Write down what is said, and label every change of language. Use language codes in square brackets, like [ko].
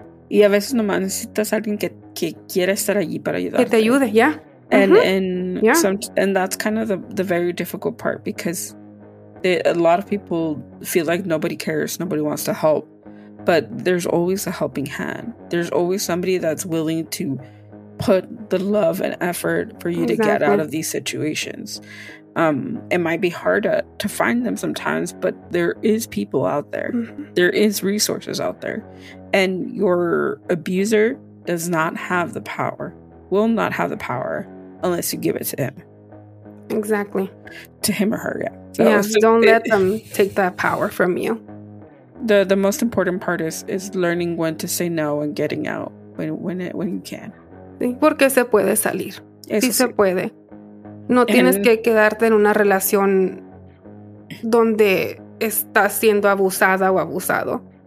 [es] Y a veces nomás necesitas alguien que quiera estar allí para ayudarte. Que te ayude, yeah. [en] And that's kind of the very difficult part because a lot of people feel like nobody cares, nobody wants to help. But there's always a helping hand. There's always somebody that's willing to put the love and effort for you exactly. to get out of these situations. It might be hard to find them sometimes, but there is people out there. Mm-hmm. There is resources out there. And your abuser does not have the power, will not have the power unless you give it to him. Exactly. To him or her, yeah. So, yeah, so don't let them take that power from you. The most important part is learning when to say no and getting out when you can. [es] Sí, porque se puede salir. Eso sí, sí se puede. No tienes que quedarte en una relación donde estás siendo abusada o abusado.